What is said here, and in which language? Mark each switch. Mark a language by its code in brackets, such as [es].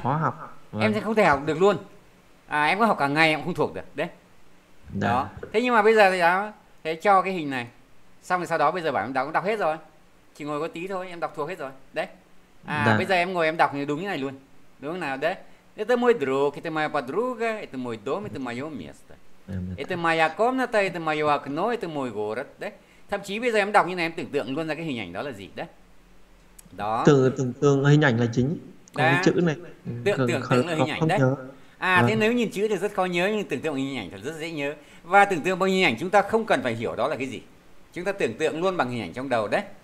[vi] Khó học. Em sẽ không thể học được luôn. À, em có học cả ngày em không thuộc được đấy. Đã. Đó. Thế nhưng mà bây giờ thì đó, thế cho cái hình này. xong rồi sau đó bây giờ bảo em đọc, cũng đọc hết rồi, chỉ ngồi có tí thôi, em đọc thuộc hết rồi đấy. À bây Dạ. giờ em ngồi em đọc như đúng như này luôn, đúng không nào? [ru] Đấy, это мой друг, это моя подруга, это мой дом, это мое место, это моя комната, это мое окно, это мой город. [vi] Đấy, thậm chí bây giờ em đọc như này em tưởng tượng luôn ra cái hình ảnh đó là gì đấy. Đó, Từ từng tương hình ảnh là chính, còn cái đã chữ này tưởng còn tưởng tượng là hình ảnh không đấy. nhớ. À thế Vâng. nếu nhìn chữ thì rất khó nhớ, nhưng tưởng tượng hình ảnh thì rất dễ nhớ. Và tưởng tượng bằng hình ảnh chúng ta không cần phải hiểu đó là cái gì, chúng ta tưởng tượng luôn bằng hình ảnh trong đầu đấy.